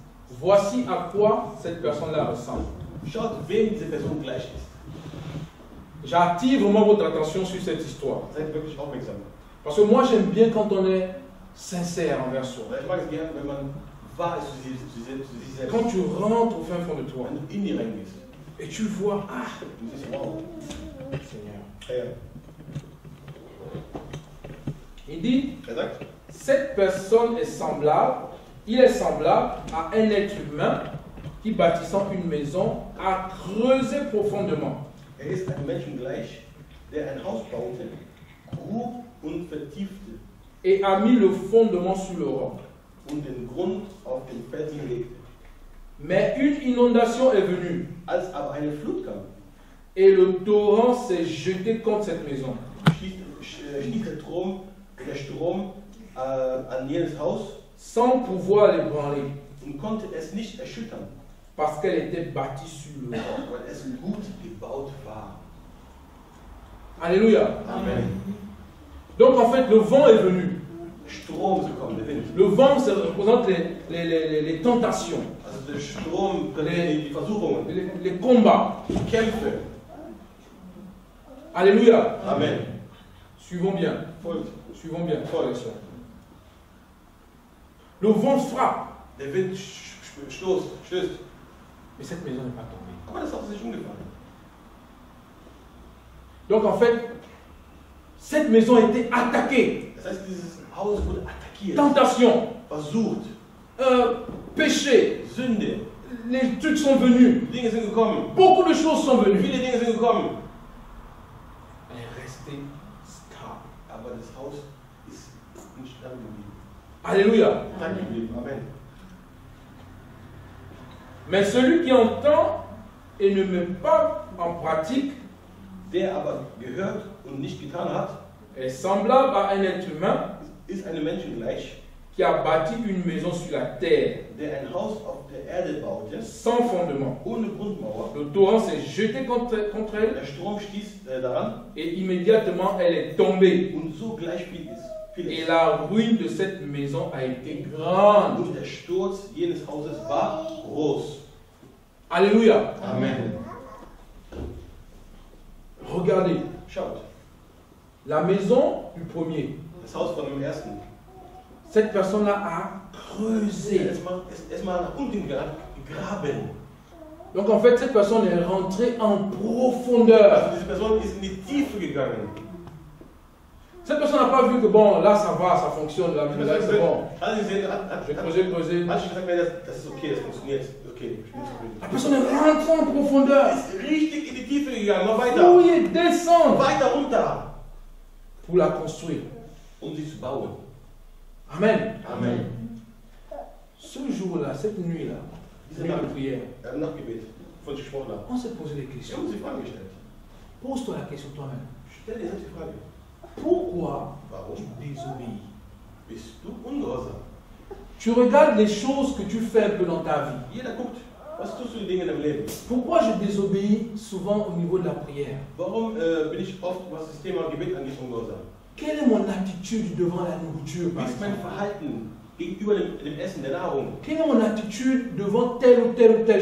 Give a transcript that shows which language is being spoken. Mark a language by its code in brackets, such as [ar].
[fr] Voici à quoi cette personne-là ressemble. [de] Schaut, wem diese Person gleich ist. [fr] J'attire vraiment votre attention sur cette histoire. [de] Seid wirklich aufmerksam. [fr] Parce que moi, j'aime bien quand on est sincère envers soi. [de] Ich mag es gern, wenn man wahr ist zu sich selbst. [fr] Quand tu rentres au fin fond de toi, [de] wenn du in dir reingehst, [fr] et tu vois, ah, [de] du siehst, wow, [fr] Seigneur. Hey. Il dit, exact. Cette personne est semblable. Il est semblable à un être humain qui, bâtissant une maison, a creusé profondément. [de] Er ist ein Mensch gleich, der ein Haus baute, grub und vertiefte, [fr] et a mis le fondement sur le roc, [de] und den Grund auf den Felsen legte. [fr] Mais une inondation est venue, [de] als aber eine Flut kam, [fr] et le torrent s'est jeté contre cette maison. [de] Der Strom an jenes Haus. [fr] Sans pouvoir l'ébranler. [de] Und konnte es nicht erschüttern. [fr] Parce qu'elle était bâtie sur le roc. [de] Weil es gut gebaut war. Alléluia. Amen. [fr] Donc en fait, le vent est venu. [de] Strom ist gekommen, der Wind. [fr] Le vent, ça représente les tentations. [de] Also der Strom, die Versuchungen. [fr] Les combats. [de] Die Kämpfe. Alléluia. Amen. [fr] Suivons bien. [de] Folgt. [fr] Suivons bien. [de] Folgt. [fr] Le vent frappe. [de] Der Wind stößt. [fr] Mais cette maison n'est pas tombée. Comment est-ce que c'est ungefallen? Donc en fait, cette maison a été attaquée. [de] Das heißt, dieses Haus wurde attaquiert. [fr] Tentation. [de] Versucht. [fr] Péché. [de] Sünde. [fr] Les trucs sont venus. [de] Dinge sind gekommen. [fr] Beaucoup de choses sont venues. [de] Viele Dinge sind gekommen. [fr] Elle est restée stable. [de] Aber das Haus ist nicht stabil geblieben. Alléluia. Amen. [fr] Mais celui qui entend et ne met pas en pratique, [de] der aber gehört und nicht getan hat, [fr] est semblable à un être humain, [de] ist einem Menschen gleich, [fr] qui a bâti une maison sur la terre, [de] der ein Haus auf der Erde baute, [fr] sans fondement, [de] ohne Grundmauer. [fr] Le torrent s'est jeté contre elle, [de] der Strom stieß daran, [fr] et immédiatement elle est tombée, [de] und so gleich fiel es. [fr] Et la ruine de cette maison a été grande. [de] Und der Sturz jenes Hauses war groß. Alléluia. Amen. [fr] Regardez. [de] Schaut. [fr] La maison du premier. [de] Das Haus von dem ersten. [fr] Cette personne-là a creusé. [de] Erstmal nach unten gegraben. [fr] Donc en fait, cette personne est rentrée en profondeur. [de] Also, diese Person ist in die Tiefe gegangen. [fr] Cette personne n'a pas vu que bon, là ça va, ça fonctionne, là c'est bon. J'ai creusé. La personne est rentrée en profondeur. [de] Richtig in die Tiefe gegangen, weiter. [fr] Fouiller, descendre. [de] Weiter runter. [fr] Pour la construire. [de] Um sie zu bauen. Amen. Amen. [fr] Ce jour-là, cette nuit-là, [de] diese Nacht, prière, Nachtgebet, von sich vorne. [fr] On s'est posé des questions. [de] Sie haben sich Fragen gestellt. [fr] Pose-toi la question toi-même. [de] Stell dir cette Frage. [fr] Pourquoi [de] Warum? [fr] Tu désobéis? [de] Bist du ungehorsam? [fr] Tu regardes les choses que tu fais un peu dans ta vie. [de] Jeder guckt, was tust du in deinem Leben? [fr] Pourquoi je désobéis souvent au niveau de la prière? [de] Warum bin ich oft, was das Thema Gebet angeht, ungehorsam? [fr] Quelle est mon attitude devant la nourriture? [de] Wie ist mein Verhalten [fr] Quelle est mon attitude devant telle ou telle ou telle